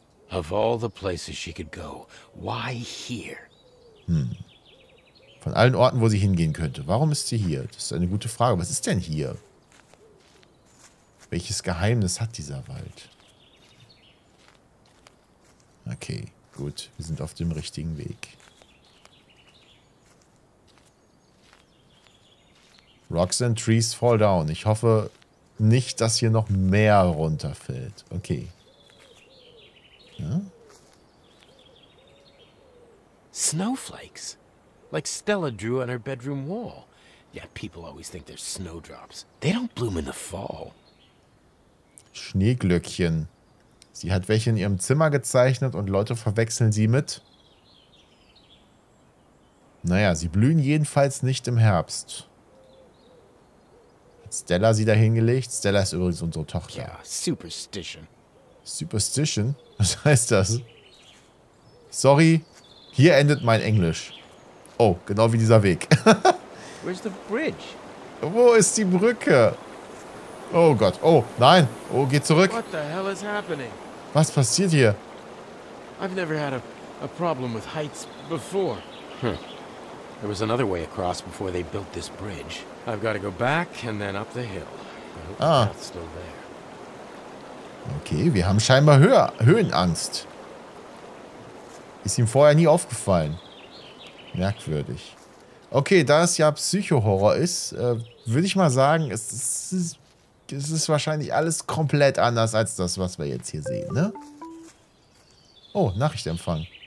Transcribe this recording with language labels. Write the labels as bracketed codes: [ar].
[en] Of all the places she could go, why here? [de] Von allen Orten, wo sie hingehen könnte. Warum ist sie hier? Das ist eine gute Frage. Was ist denn hier? Welches Geheimnis hat dieser Wald? Okay, gut. Wir sind auf dem richtigen Weg. [en] Rocks and trees fall down. [de] Ich hoffe nicht, dass hier noch mehr runterfällt. Okay. Ja? [en] snowflakes. Like Stella drew on her bedroom wall. Yet people always think they're snowdrops. They don't bloom in the fall. [de] Schneeglöckchen. Sie hat welche in ihrem Zimmer gezeichnet und Leute verwechseln sie mit. Naja, sie blühen jedenfalls nicht im Herbst. Hat Stella sie da hingelegt? Stella ist übrigens unsere Tochter. Ja, Superstition. Superstition? Was heißt das? Sorry, hier endet mein Englisch. Oh, genau wie dieser Weg. [en] Where's the bridge? [de] Wo ist die Brücke? Oh Gott, oh nein. Oh, geh zurück. [en] What the hell is happening? [de] Was passiert hier? [en] I've never had a problem with heights before. There was another way across before they built this bridge. I've got to go back and then up the hill. Ah. Still there. [de] Okay, wir haben scheinbar Höhenangst. Ist ihm vorher nie aufgefallen. Merkwürdig. Okay, da es ja Psycho-Horror ist, würde ich mal sagen, es ist wahrscheinlich alles komplett anders als das, was wir jetzt hier sehen, ne? Oh, Nachricht empfangen.